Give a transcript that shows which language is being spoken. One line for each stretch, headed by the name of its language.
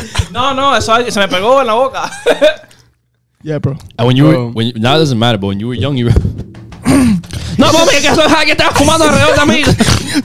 Spanish: No, eso se me pegó en la boca.
English: Yeah, bro. And now it doesn't matter, but when you were young, you were.
Spanish: No, mami, que eso es que estaba fumando alrededor de mí.